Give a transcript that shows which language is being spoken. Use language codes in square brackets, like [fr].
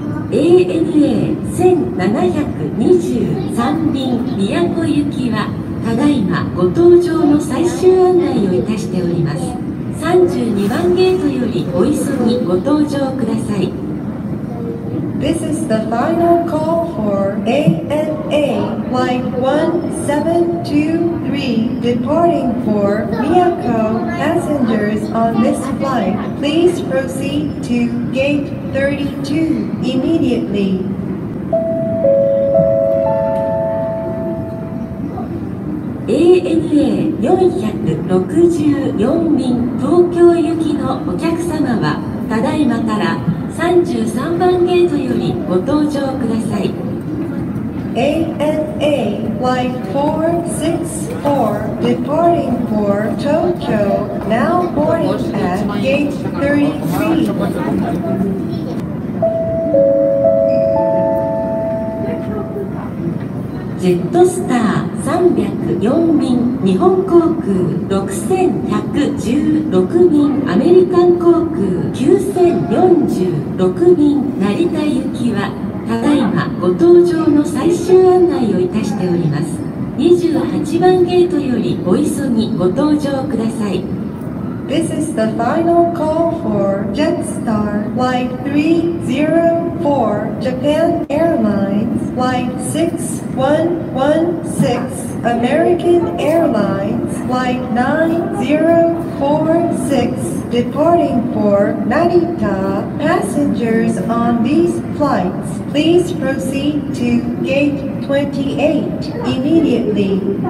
[ja] ANA 1723便宮古行きはただいまご搭乗の最終案内をいたしております。 32番ゲートよりお急ぎご搭乗ください。 [en] This is the final call for ANA Flight 1723 Departing for 宮古 Passengers on this flight Please proceed to gate 32 immediately. [ja] ANA 464便東京行きのお客様はただいまから33番ゲートよりご搭乗ください。 [en] ANA Flight 464 Departing for Tokyo Now boarding at gate 33 [ja] ジェットスター304便日本航空6116便アメリカン航空9046便成田行きはただいまご搭乗の最終案内をいたしております。 28番ゲートよりお急ぎご搭乗ください。 [en] This is the final call for Jetstar Flight 304 Japan Airlines Flight 6116 American Airlines Flight 9046 Departing for Narita Passengers on these flights Please proceed to gate 28 immediately.